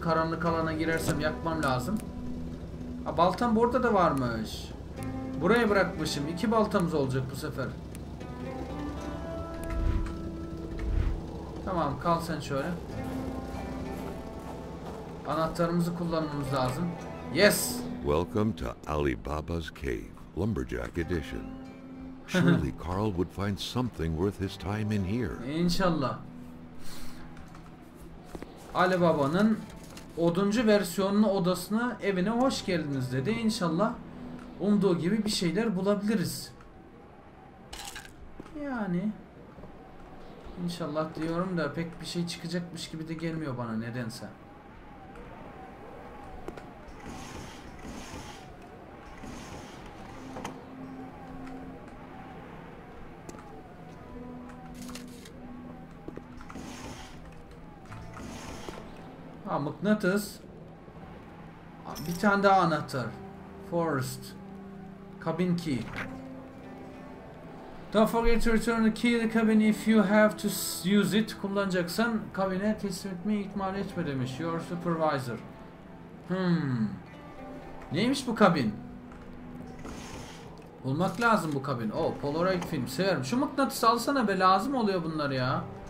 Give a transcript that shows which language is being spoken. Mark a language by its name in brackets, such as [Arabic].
[Turkish] Karanlık alana girersem yakmam lazım. Ha, baltam burada da varmış. Buraya bırakmışım. İki baltamız olacak bu sefer. Tamam, kal sen şöyle. Anahtarımızı kullanmamız lazım. [English] Yes. Welcome to Alibaba's Cave, Lumberjack Edition. Surely Carl would find something worth his time in here. [Turkish] İnşallah. Alibaba'nın oduncu versiyonunu odasına, evine hoş geldiniz dedi. İnşallah umduğu gibi bir şeyler bulabiliriz. Yani inşallah diyorum da pek bir şey çıkacakmış gibi de gelmiyor bana nedense. Ha, mıknatıs. Bir tane daha anahtar. [English] Forest. Cabin key. Don't forget to return the key to the cabin if you have to use it. [Turkish] Kullanacaksan kabine teslim etmeyi ihmal etme demiş. [English] Your supervisor. [Turkish] Neymiş bu kabin? Bulmak lazım bu kabin. Oh, Polaroid film. Severim. Şu mıknatısı alsana be. Lazım oluyor bunlar ya.